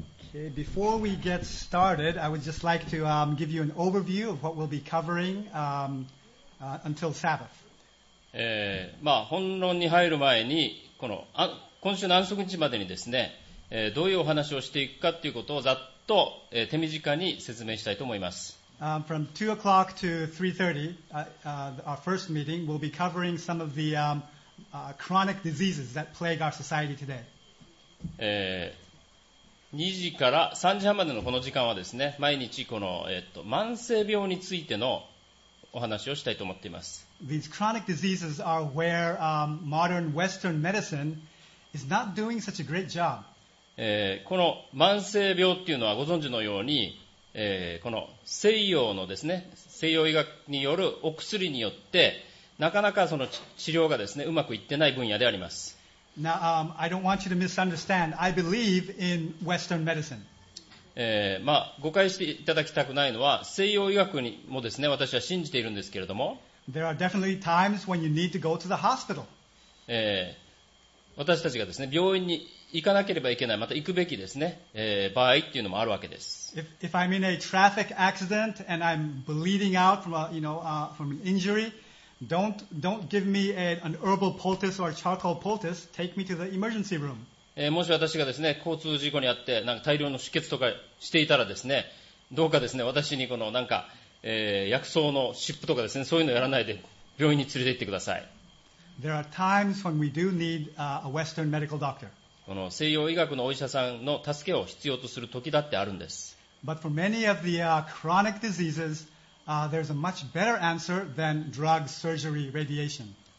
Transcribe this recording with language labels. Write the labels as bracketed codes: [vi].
[en] Okay, before we get started, I would just like to give you an overview of what we'll be covering until Sabbath. [ja] 本論に入る前に、この今週の安息日までにですね、どういうお話をしていくかということをざっと、手短に説明したいと思います。 [en] From 2 o'clock to 3:30, our first meeting will be covering some of the chronic diseases that plague our society today. [ja] 2時から3時半までのこの時間はですね、毎日この、慢性病についてのお話をしたいと思っています。 [en] These chronic diseases are where modern Western medicine is not doing such a great job. [ja] この慢性病っていうのはご存知のように、この西洋のですね、西洋医学によるお薬によってなかなかその治療がですね、うまくいってない分野であります。 [en] Now, I don't want you to misunderstand. I believe in Western medicine. [ja] まあ、誤解していただきたくないのは、西洋医学にもですね、私は信じているんですけれども。 [en] There are definitely times when you need to go to the hospital. [ja] 私たちがですね、病院に行かなければいけない、また行くべきですね、場合っていうのもあるわけです。 [en] If I'm in a traffic accident and I'm bleeding out from a, you know, from an injury, don't give me an herbal poultice or a charcoal poultice. Take me to the emergency room. [ja] もし私がですね、交通事故にあってなんか大量の出血とかしていたらですね、どうかですね、私にこのなんか、薬草の湿布とかですね、そういうのやらないで病院に連れて行ってください。 [en] There are times when we do need a Western medical doctor. [ja] この西洋医学のお医者さんの助けを必要とする時だってあるんです。 [en] But for many of the chronic diseases, there's a much better answer than drug surgery radiation.